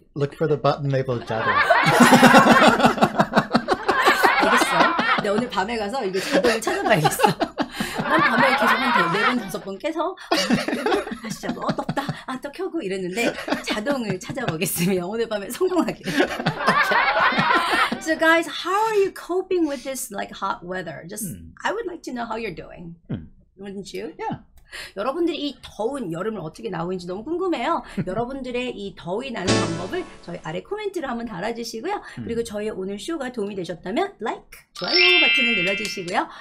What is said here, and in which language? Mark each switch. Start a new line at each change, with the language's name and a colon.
English: Look for the button labeled Java.
Korean: 알겠어. 내 오늘 밤에 가서 이거 자동을 찾아봐야겠어. 난 밤에 계속 한 네 번, 다섯 번 깨서 아 진짜 뭐 덥다, 아 또 켜고 이랬는데 자동을 찾아보겠습니다. 오늘 밤에 성공하게.
English: So guys, how are you coping with this like hot weather? Just, I would like to know how you're doing. Wouldn't you? Yeah.
Korean: 여러분들이 이 더운 여름을 어떻게 나오는지 너무 궁금해요. 여러분들의 이 더위 나는 방법을 저희 아래 코멘트로 한번 달아주시고요. 그리고 저희 오늘 쇼가 도움이 되셨다면 like, 좋아요 버튼을 눌러주시고요.